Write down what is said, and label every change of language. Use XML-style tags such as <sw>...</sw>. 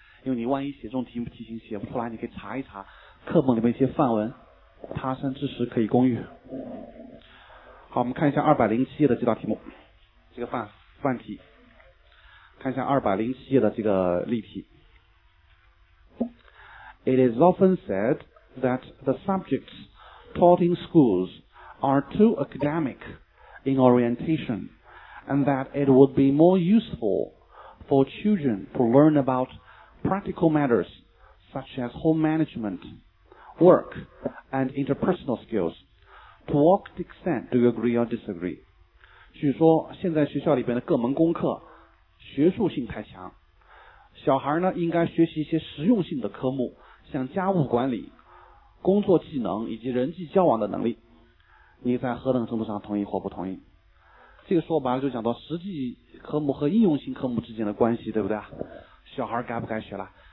<zh>因为你万一写这种题型写不出来，你可以查一查课本里面一些范文，他山之石可以攻玉。好，我们看一下207页的这道题目，这个范题，看一下207页的这个例题。</zh> <en>It is often said that the subjects taught in schools are too academic in orientation and that it would be more useful for children to learn about practical matters such as home management, work, and interpersonal skills. To what extent do you agree or disagree?</en> <zh>据说现在学校里边的各门功课学术性太强，小孩呢应该学习一些实用性的科目，像家务管理、工作技能以及人际交往的能力。你在何等程度上同意或不同意？这个说白了就讲到实际科目和应用性科目之间的关系，对不对啊？小孩该不该学了？</zh>